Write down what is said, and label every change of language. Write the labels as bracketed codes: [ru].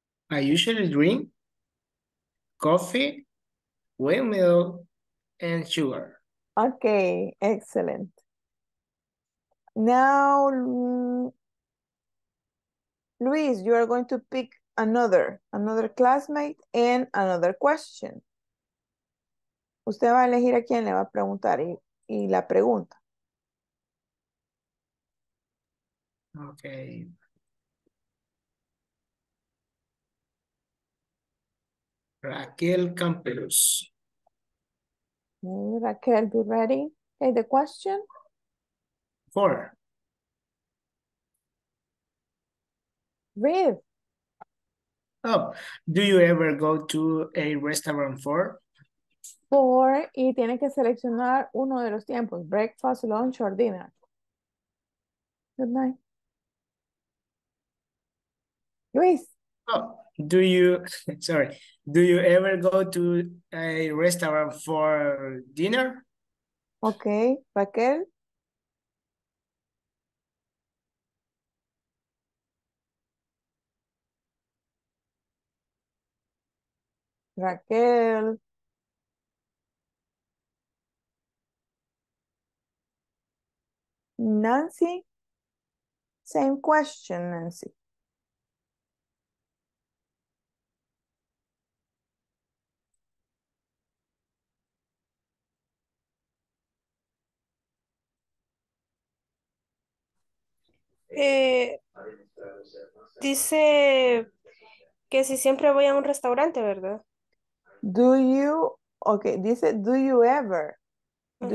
[en] I usually drink coffee with milk and sugar. Okay, excellent. Now, Luis, you are going to pick another classmate and another question. [es] Usted va a elegir a quién le va a preguntar y la pregunta. [en] Okay. Raquel Campos. Hey, Raquel, be ready. Okay, the question? 4. Read. Oh, do you ever go to a restaurant for? [es] For, y tiene que seleccionar uno de los tiempos, [en] breakfast, lunch, or dinner. Good night. Luis. Oh, do you ever go to a restaurant for dinner? Okay, Raquel. Raquel. Nancy. Same question, Nancy. [es] Dice que si siempre voy a un restaurante, ¿verdad? [en] Do you, okay, dice, do you ever, do uh-huh.